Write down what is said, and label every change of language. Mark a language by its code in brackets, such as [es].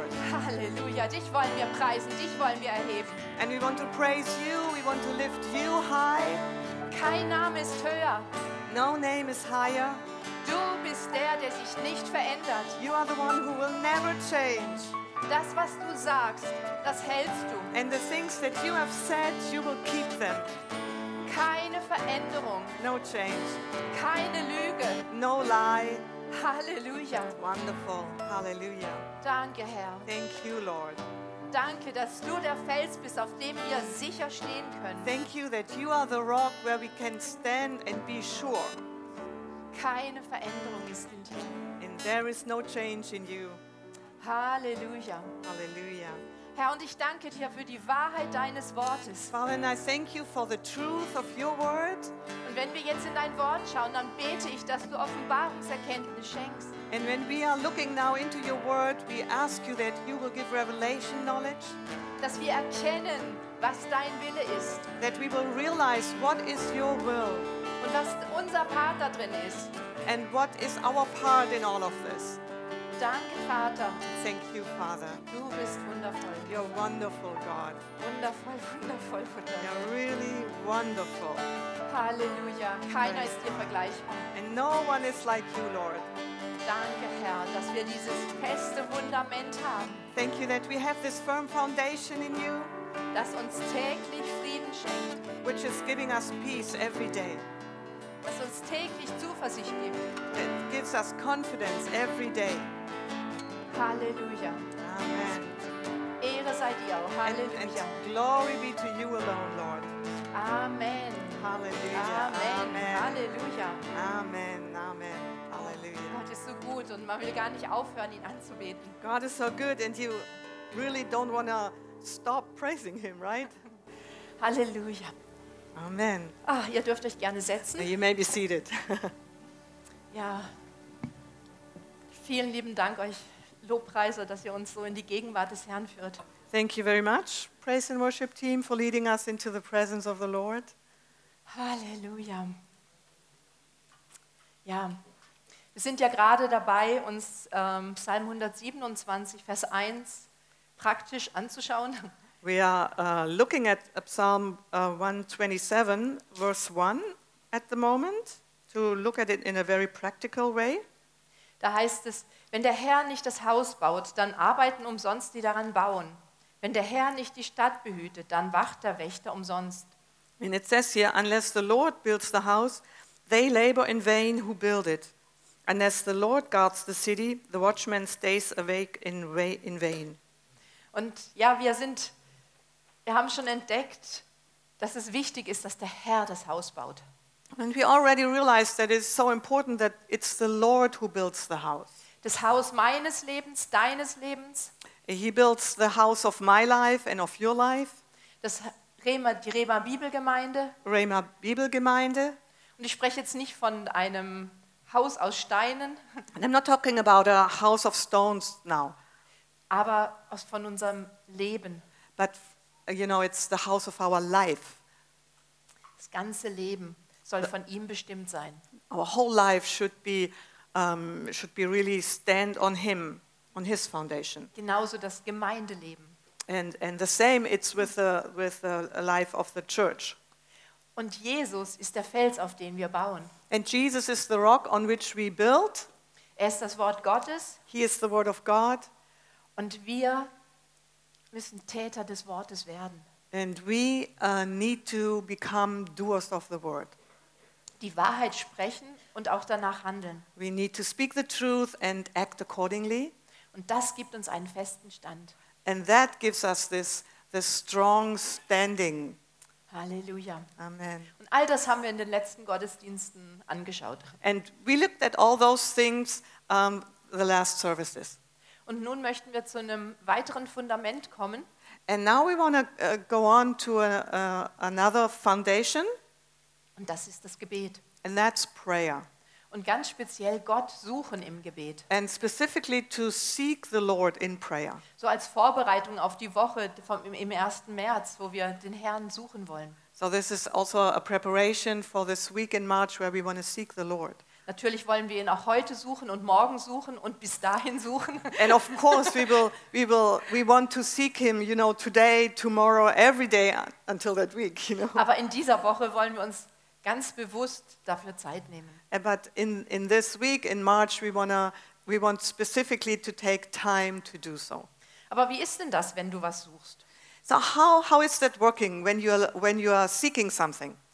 [de] Halleluja, dich wollen wir preisen, dich wollen wir erheben. [en] And we want to praise you, we want to lift you high. [de] Kein Name ist höher. [en] No name is higher. [de] Du bist der, der sich nicht verändert. [en] You are the one who will never change. [de] Das, was du sagst, das hältst du. [en] And the things that you have said, you will keep them. [de] Keine Veränderung. [en] No change. [de] Keine Lüge. [en] No lie. [de] Halleluja. [en] Wonderful. Halleluja. [de] Danke, Herr. [en] Thank you, Lord. [de] Danke, dass du der Fels bist, auf dem wir sicher stehen können. [en] Thank you that you are the rock where we can stand and be sure. [de] Keine Veränderung ist in dir. [en] And there is no change in you. [de] Halleluja. [en] Halleluja. [de] Herr, und ich danke dir für die Wahrheit deines Wortes. [en] Father, I thank you for the truth of your word. [de] Und wenn wir jetzt in dein Wort schauen, dann bete ich, dass du Offenbarungserkenntnis schenkst. [en] And when we are looking now into your word, we ask you that you will give revelation knowledge. [de] Dass wir erkennen, was dein Wille ist. [en] That we will realize what is your will. [de] Und was unser Part da drin ist. [en] And what is our part in all of this. [de] Danke, Vater. [en] Thank you, Father. [de] Du bist wundervoll. [en] You're wonderful, God. [de] Wundervoll, wundervoll, wundervoll. [en] You're really wonderful. [de] Halleluja. Keiner ist dir vergleichbar. [en] And no one is like you, Lord. [de] Danke, Herr, dass wir dieses feste Fundament haben. [en] Thank you that we have this firm foundation in you. [de] Das uns täglich Frieden schenkt. [en] Which is giving us peace every day. [de] Das uns täglich Zuversicht gibt. [en] That gives us confidence every day. [de] Halleluja. [en] Amen. [de] Ehre sei dir auch. Halleluja. [en] And glory be to you alone, Lord. Amen. Halleluja. Amen. Halleluja. Amen. Amen. Halleluja. [de] Gott ist so gut und man will gar nicht aufhören, ihn anzubeten. [en] God is so good and you really don't want to stop praising him, right? [de] Halleluja. [en] Amen. [de] Ah, ihr dürft euch gerne setzen. [en] You may be seated. [de] Ja, vielen lieben Dank euch, Lobpreiser, dass ihr uns so in die Gegenwart des Herrn führt. [en] Thank you very much, praise and worship team, for leading us into the presence of the Lord. [de] Halleluja. Ja, wir sind ja gerade dabei, uns Psalm 127, Vers 1 praktisch anzuschauen. [en] We are looking at Psalm 127, verse 1 at the moment, to look at it in a very practical way. [de] Da heißt es, wenn der Herr nicht das Haus baut, dann arbeiten umsonst die daran bauen. Wenn der Herr nicht die Stadt behütet, dann wacht der Wächter umsonst. [en] And it says here, unless the Lord builds the house, they labor in vain who build it. Unless the Lord guards the city, the watchman stays awake in vain. [de] Und ja, wir haben schon entdeckt, dass es wichtig ist, dass der Herr das Haus baut. [en] And we already realized that it's so important that it's the Lord who builds the house. [de] Das Haus meines Lebens, deines Lebens. [en] He builds the house of my life and of your life. [de] Das Rema, die Rema Bibelgemeinde. [en] Rema Bibelgemeinde. [de] Und ich spreche jetzt nicht von einem Haus aus Steinen. [en] And I'm not talking about a house of stones now. [de] Aber aus von unserem Leben. [en] But you know, it's the house of our life. [de] Das ganze Leben soll von ihm bestimmt sein. [en] Our whole life should be really stand on him, on his foundation. [de] Genauso das Gemeindeleben. [en] And the same it's with the life of the church. [de] Und Jesus ist der Fels, auf den wir bauen. [en] And Jesus is the rock on which we build. [de] Er ist das Wort Gottes. [en] He is the word of God. [de] Und wir müssen Täter des Wortes werden. [en] And we need to become doers of the word. [de] Die Wahrheit sprechen und auch danach handeln. [en] We need to speak the truth and act accordingly. [de] Und das gibt uns einen festen Stand. [en] And that gives us this strong standing. [de] Halleluja. [en] Amen. [de] Und all das haben wir in den letzten Gottesdiensten angeschaut. [en] And we looked at all those things the last services. [de] Und nun möchten wir zu einem weiteren Fundament kommen. [en] And now we want to go on to another foundation. [de] Und das ist das Gebet. [en] And that's prayer. [de] Und ganz speziell Gott suchen im Gebet. [en] And specifically to seek the Lord in prayer. [de] So als Vorbereitung auf die Woche im 1. März, wo wir den Herrn suchen wollen. [en] So this is also a preparation for this week in March where we want to seek the Lord. [de] Natürlich wollen wir ihn auch heute suchen und morgen suchen und bis dahin suchen. [en] And of course we want to seek him, you know, today, tomorrow, every day until that week, you know. [de] Aber in dieser Woche wollen wir uns ganz bewusst dafür Zeit nehmen. [en] But in this week in March we want specifically to take time to do so. [de] Aber wie ist denn das, wenn du was suchst? [en] So how is that working when you are seeking something?